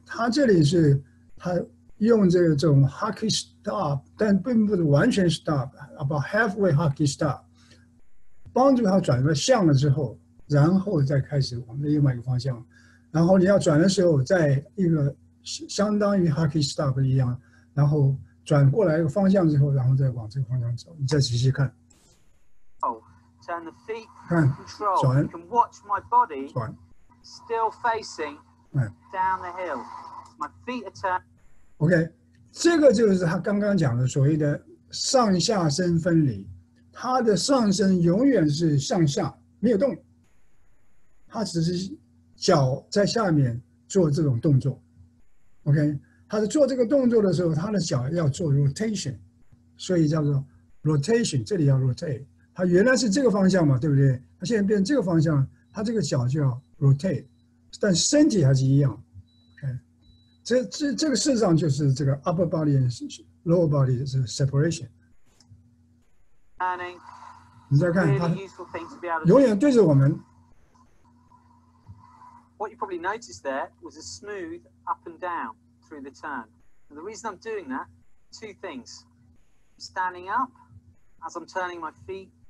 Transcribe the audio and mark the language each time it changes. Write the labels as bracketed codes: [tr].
[zh] 他这里是他用这种 hockey stop， 但并不是完全 stop， [en] about halfway hockey stop， [zh] 帮助他转个向了之后，然后再开始往另外一个方向。然后你要转的时候，在一个相当于 hockey stop 一样，然后转过来一个方向之后，然后再往这个方向走。你再仔细看。 [en] Turn the feet, control. You can watch my body still facing down the hill. My feet are turned. [zh] Okay, 这个就是他刚刚讲的所谓的上下身分离。他的上身永远是向下，没有动。他只是脚在下面做这种动作。 Okay, 他在做这个动作的时候，他的脚要做 rotation， 所以叫做 rotation， 这里要 rotate。它原来是这个方向嘛，对不对？它现在变这个方向，它这个脚就要 rotate， 但身体还是一样。 Okay， 这个事实上就是这个 [en] upper body and lower body [zh] 是 separation。你再看它，永远对着我们。 [en] What you probably noticed there was a smooth up and down through the turn.、And、the reason I'm doing that, two things: standing up as I'm turning my feet.